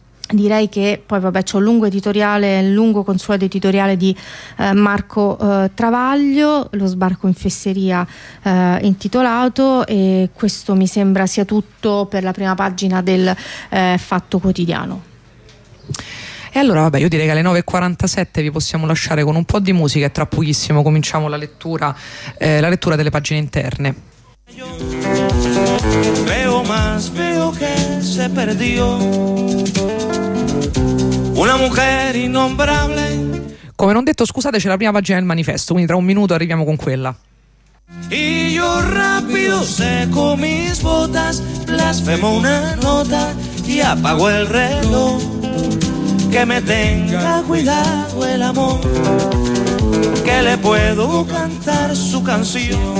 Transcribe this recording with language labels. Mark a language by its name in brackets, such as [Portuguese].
[Italian] Direi che poi c'è un lungo editoriale, un lungo consueto editoriale di Marco Travaglio, "Lo sbarco in fesseria" intitolato, e questo mi sembra sia tutto per la prima pagina del Fatto Quotidiano. E allora io direi che alle 9.47 vi possiamo lasciare con un po' di musica e tra pochissimo cominciamo la lettura delle pagine interne. [Spanish] Veo más, veo que se perdió una mujer innombrable. [Italian] Come non detto, scusate, c'è la prima pagina del manifesto, quindi tra un minuto arriviamo con quella. [Spanish] Io rapido seco mis botas, blasfemo una nota y apago el reloj. Que me tenga cuidado el amor, que le puedo cantar su canción.